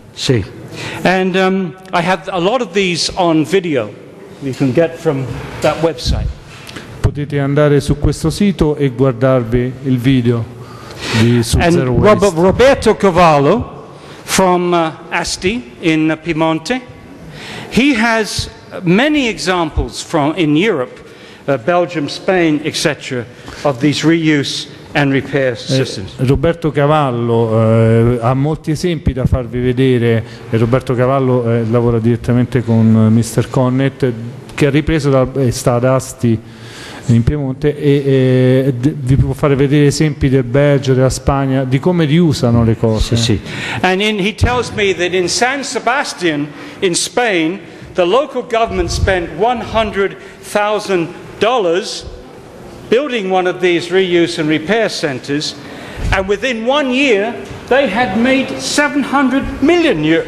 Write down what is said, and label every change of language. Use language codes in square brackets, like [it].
[en] Sì. And I have a lot of these on video you can get from that website. [it] Potete andare su questo sito e guardarvi il video di Zero Waste. [en] Roberto Cavallo from Asti in Piemonte, he has many examples from in Europe, Belgium, Spain, etc., of these reuse and repair systems. [it] Roberto Cavallo ha molti esempi da farvi vedere. Roberto Cavallo lavora direttamente con Mr. Connett, che ha ripreso da sta ad Asti in Piemonte, e vi può fare vedere esempi del Belgio, della Spagna, di come riusano le cose. Sì, sì. [en] And in, he tells me that in San Sebastian in Spain the local government spent $100,000 building one of these reuse and repair centers, and within 1 year they had made $700 million.